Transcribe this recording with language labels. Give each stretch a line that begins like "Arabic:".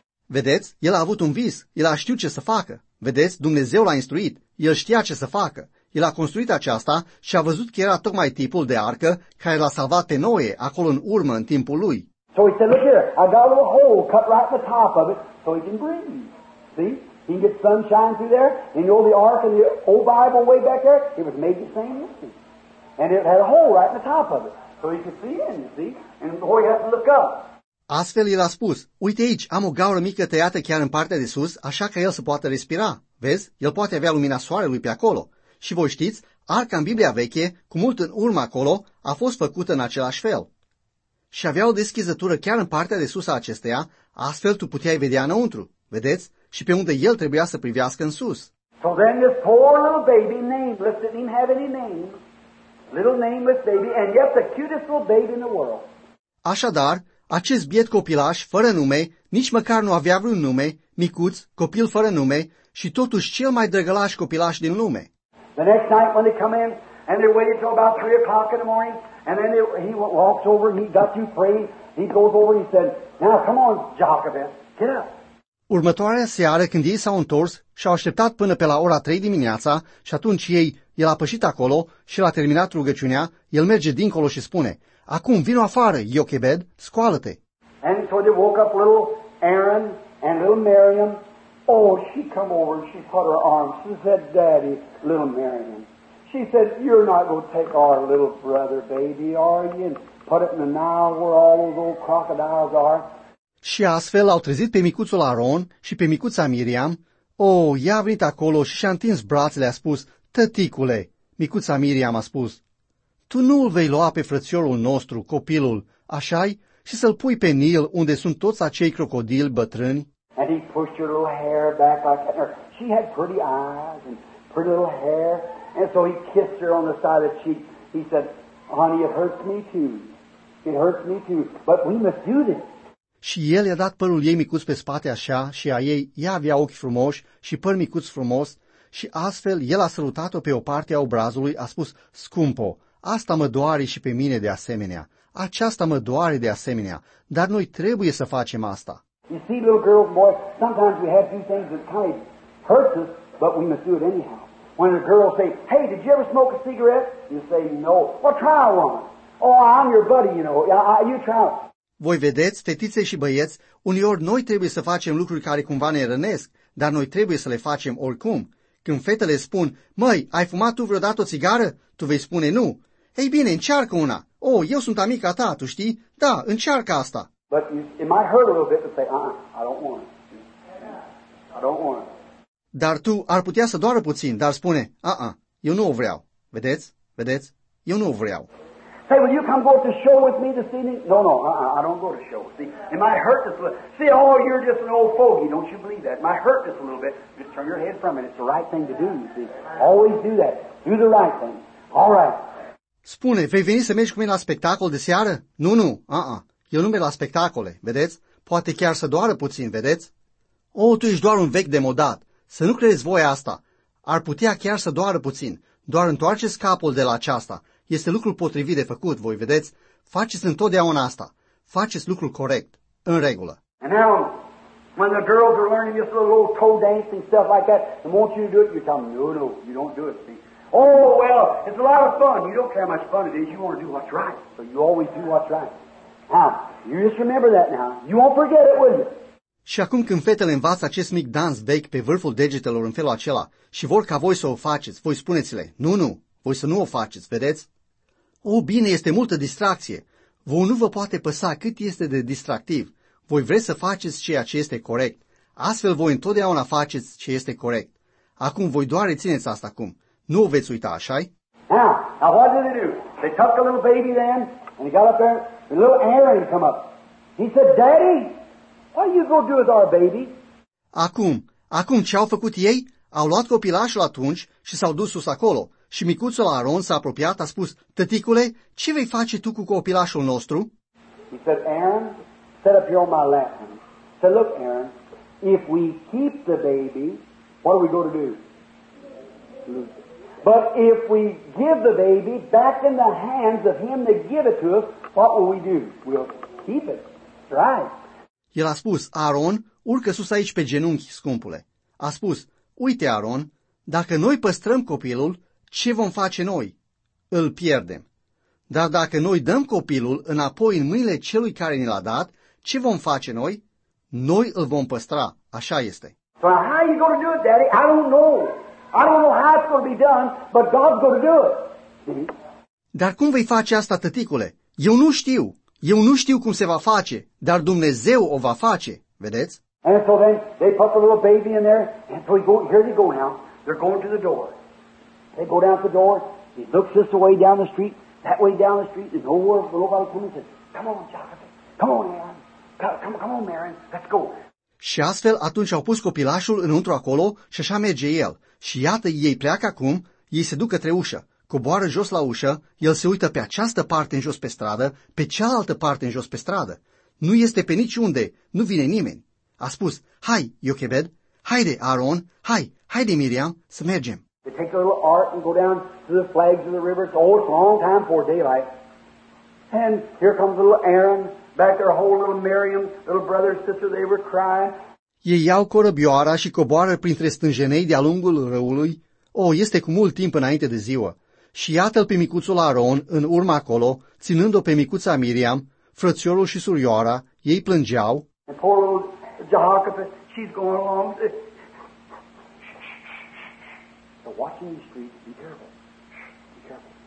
Romanian: Vedeți, el a avut un vis, el a știut ce să facă. Vedeți, Dumnezeu l-a instruit, el știa ce să facă. El a construit aceasta și a văzut că era tocmai tipul de arcă care l-a salvat pe Noe acolo în urmă în timpul lui.
English: So he said, look here, I got a little hole cut right at the top of it so he can breathe. See? He can get sunshine through there. And you know the ark in the old Bible way back there? It was made the same way. And it had a hole right at the top of it. So he could see in, see? And boy, he had to look up.
Romanian: Astfel el a spus, uite aici, am o gaură mică tăiată chiar în partea de sus, așa că el să poată respira. Vezi, el poate avea lumina soarelui pe acolo. Și voi știți, arca în Biblia veche, cu mult în urmă acolo, a fost făcută în același fel. Și avea o deschizătură chiar în partea de sus a acesteia, astfel tu puteai vedea înăuntru, vedeți? Și pe unde el trebuia să privească în sus.
English: So then this poor little baby, nameless, didn't even have any name, little nameless baby, and yet the cutest little baby in the world.
Romanian: Așadar, acest biet copilaș, fără nume, nici măcar nu avea vreun nume, micuț, copil fără nume, și totuși cel mai drăgălaș copilaș din lume.
English: The next night when they come in, and they waited till about 3 o'clock in the morning, and then he walks over and he got you praying, he goes over and he said, now come on, Jochebed, get up.
Romanian: Următoarea seară, când ei s-au întors, și-au așteptat până pe la ora 3 dimineața, și atunci el a pășit acolo și l-a terminat rugăciunea, el merge dincolo și spune, acum, vino afară, Jochebed, scoală-te.
English: And so they woke up little Aaron and little Miriam. Oh, she come over and she put her arms. She said, Daddy, little Miriam, she said, you're not going to take our little brother baby, are you? And put it in the Nile where all those old crocodiles are.
Romanian: Și astfel au trezit pe micuțul Aaron și pe micuța Miriam. Oh, ea a venit acolo și și-a întins brațele, a spus, tăticule, micuța Miriam a spus, tu nu îl vei lua pe frățiorul nostru, copilul, așa-i? Și să-l pui pe Nil, unde sunt toți acei crocodili bătrâni?
English: And he pushed her little hair back like that. She had pretty eyes and pretty little hair. And so he kissed her on the side of the cheek. He said, honey, it hurts me too. It hurts me too. But we must do this.
Romanian: Și el i-a dat părul ei micuț pe spate așa și a ei, ea avea ochi frumoși și păr micuț frumos și astfel el a salutat-o pe o parte a obrazului, a spus, scumpo, asta mă doare și pe mine de asemenea, aceasta mă doare de asemenea, dar noi trebuie să facem asta.
English: You see, little girl, boy, sometimes we have to do things that kind of hurts us, but we must do it anyhow. When a girl say, hey, did you ever smoke a cigarette? You say, no. Well, try one. Oh, I'm your buddy, you know. You try one.
Romanian: Voi vedeți, fetițe și băieți, uneori noi trebuie să facem lucruri care cumva ne rănesc, dar noi trebuie să le facem oricum. Când fetele spun, măi, ai fumat tu vreodată o țigară? Tu vei spune nu. Ei bine, încearcă una. Oh, eu sunt amica ta, tu știi? Da, încearcă asta.
English: But it might hurt a little bit to say, I don't want it. I don't want it.
Romanian: Dar tu ar putea să doară puțin, dar spune, eu nu o vreau. Vedeți? Vedeți? Eu nu o vreau.
English: Say, will you come go to show with me this evening? No, I don't go to show. See, it might hurt this little. See, oh, you're just an old fogey. Don't you believe that? It might hurt this a little bit. Just turn your head from it. It's the right thing to do, you see. Always do that. Do the right thing. All right.
Romanian: Spune, vei veni să mergi cu mine la spectacol de seară? Nu, eu nu merg la spectacole, vedeți? Poate chiar să doară puțin, vedeți? Oh, tu ești doar un vechi demodat. Să nu crezi voi asta. Ar putea chiar să doară puțin. Doar întoarceți capul de la aceasta. Este lucrul potrivit de făcut, voi vedeți? Faceți întotdeauna asta. Faceți lucrul corect, în regulă.
English: And now, when the girls are learning this little toe dancing stuff like that, and want you to do it, you tell them, no, you don't do it, see? Oh, well, it's a lot of fun. You don't care how much fun it is. You want to do what's right. So you always do what's right. Now, you just remember that now. You won't forget it, will you?
Romanian: Și acum când fetele învață acest mic dans vechi pe vârful degetelor în felul acela și vor ca voi să o faceți, voi spuneți-le, nu, voi să nu o faceți, vedeți? O, bine, este multă distracție. Voi nu vă poate păsa cât este de distractiv. Voi vreți să faceți ceea ce este corect. Astfel voi întotdeauna faceți ce este corect. Acum voi doar rețineți asta acum. Nu o veți uita, așa-i?
English: Now, what did they do? They took a little baby then, and he got up there, and little Aaron come up. He said, Daddy, what are you going to do with our baby?
Romanian: Acum ce au făcut ei? Au luat copilașul atunci și s-au dus sus acolo. Și micuțul Aaron s-a apropiat, a spus, Tăticule, ce vei face tu cu copilașul nostru?
English: He said, Aaron, set up here on my lap. He said, look, Aaron, if we keep the baby, what are we going to do? But if we give the baby back in the hands of him that give it to us, what will we do? We'll keep it. Right.
Romanian: El a spus, Aaron, urcă sus aici pe genunchi, scumpule. A spus, uite, Aaron, dacă noi păstrăm copilul, ce vom face noi? Îl pierdem. Dar dacă noi dăm copilul înapoi în mâinile celui care ni l-a dat, ce vom face noi? Noi îl vom păstra. Așa este.
English: So how are you going to do it, Daddy? I don't know how it's going to be done, but God's going to do it.
Romanian: Dar cum vei face asta, tăticule? Eu nu știu. Eu nu știu cum se va face, dar Dumnezeu o va face. Vedeți?
English: And so then they put the little baby in there, and so here they go now. They're going to the door. They go down to the door. He looks this way down the street, that way down the street. There's nobody coming. He says, come on, Jonathan. Come on, Aaron. Come on, Aaron. Let's go.
Romanian: Și astfel atunci au pus copilașul înăuntru acolo și așa merge el. Și iată, ei pleacă acum, ei se duc către ușă, coboară jos la ușă, el se uită pe această parte în jos pe stradă, pe cealaltă parte în jos pe stradă. Nu este pe niciunde, nu vine nimeni. A spus, hai, Iochebed, haide, Aaron, hai, haide, Miriam, să mergem.
English: They take a little ark and go down to the flags of the river. It's old, it's a long time before daylight. And here comes little Aaron. Back there, whole little Miriam, little brother, sister, they were crying.
Romanian: Ei iau corăbioara și coboară printre stânjenei de-a lungul râului. Este cu mult timp înainte de ziua. Și iată-l pe micuțul Aaron, în urma acolo, ținându-o pe micuța Miriam, frățiorul și surioara, ei plângeau.
English: And poor little Jehoshaphat, she's going along. They're watching the street, be careful, be careful.